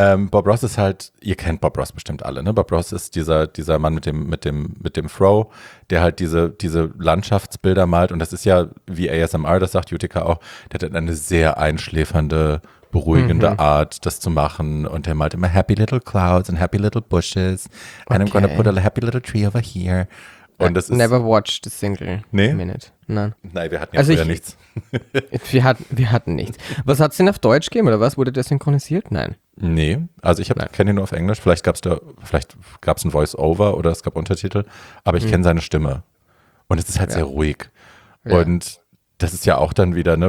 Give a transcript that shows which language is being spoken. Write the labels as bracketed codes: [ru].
[de] Bob Ross ist halt, ihr kennt Bob Ross bestimmt alle, ne? Bob Ross ist dieser Mann mit dem Fro, der halt diese Landschaftsbilder malt. Und das ist ja, wie ASMR das sagt, Utica auch, der hat eine sehr einschläfernde, beruhigende Art, das zu machen. Und der malt immer [en] happy little clouds and happy little bushes. Okay. And I'm gonna put a happy little tree over here. [de] Und das ist, [en] never watched a single minute. [de] Nein. Nein, wir hatten ja also früher nichts. wir hatten nichts. Was hat es denn auf Deutsch gegeben oder was? Wurde der synchronisiert? Nein. Nee, also ich kenne ihn nur auf Englisch. Vielleicht gab es ein Voice-Over oder es gab Untertitel, aber ich kenne seine Stimme. Und es ist halt sehr ruhig. Ja. Und das ist ja auch dann wieder, ne?